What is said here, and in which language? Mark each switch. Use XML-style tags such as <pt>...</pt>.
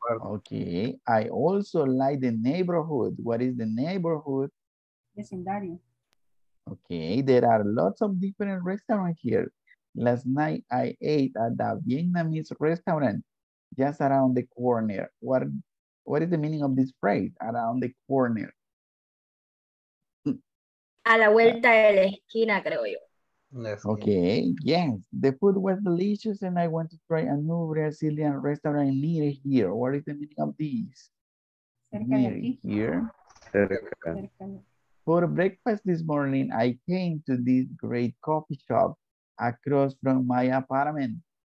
<en>Okay. I also like the neighborhood. What is the neighborhood?</en> <es>Vecindario.</es> <en>Okay. There are lots of different restaurants here. Last night I ate at the Vietnamese restaurant just around the corner. What is the meaning of this phrase, around the corner?</en> <es>A la vuelta de la esquina, creo yo.</es> <en>Okay, yes. The food was delicious and I want to try a new Brazilian restaurant near here. What is the meaning of this?</en> <es>Cerca de aquí.</es> <en>Near here.</en> <es>Cerca.</es> <en>For breakfast this morning, I came to this great coffee shop across from my apartment.</en>